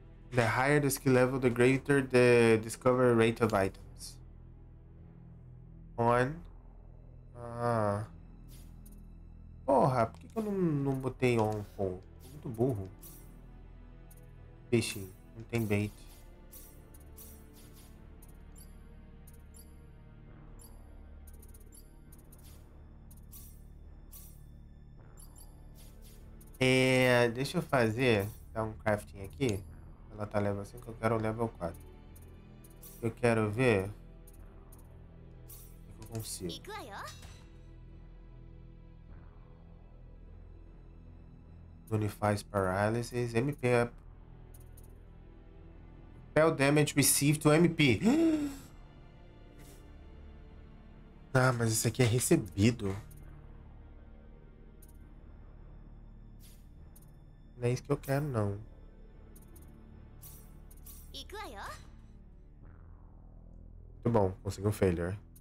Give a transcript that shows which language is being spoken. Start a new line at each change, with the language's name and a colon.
English: The higher the skill level, the greater the discovery rate of items. On. Ah.
Portuguese: Porra, por que eu não botei on, pô? Muito burro. Peixe, não tem bait. É, deixa eu fazer. Dar um crafting aqui. Ela tá level 5, eu quero level 4. Eu quero ver. O que eu consigo.
English: Unifies Paralysis. MP up. Spell damage received to MP.
Portuguese: Ah, mas isso aqui é recebido. Não é isso que eu quero, não. Muito bom, consegui um failure.